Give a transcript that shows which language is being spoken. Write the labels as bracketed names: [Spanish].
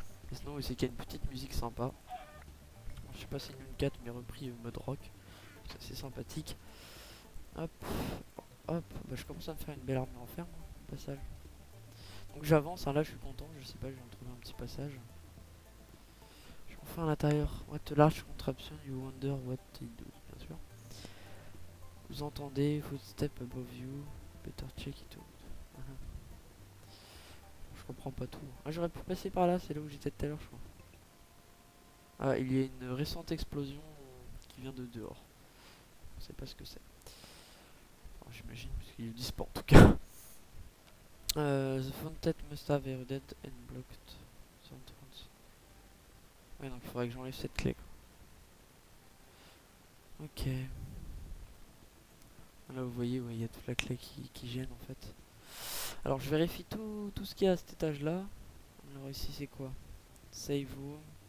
[French] Mais sinon c'est qu'il y a une petite musique sympa. Je sais pas si c'est une 4 mais repris mode rock. C'est assez sympathique. Hop, hop, bah, je commence à me faire une belle arme d'enfer, moi, au passage. Donc j'avance, hein, là je suis content, je sais pas, je vais en trouver un petit passage. Je suis enfin à l'intérieur. [English] What a large contraption, you wonder what it does. [French] Vous entendez, [English] footstep above you, better check it out. [French] Je comprends pas tout. Ah, j'aurais pu passer par là, c'est là où j'étais tout à l'heure, je crois. Ah, il y a une récente explosion qui vient de dehors. On sait pas ce que c'est. Enfin, j'imagine, parce qu'il y a eu du sport en tout cas. [English] The fountain must have eroded and blocked the entrance. [French] Ouais, donc il faudrait que j'enlève cette clé. Ok. Là vous voyez, ouais, il y a toute la clé qui gêne en fait. Alors je vérifie tout ce qu'il y a à cet étage-là. Alors ici c'est quoi? Save room.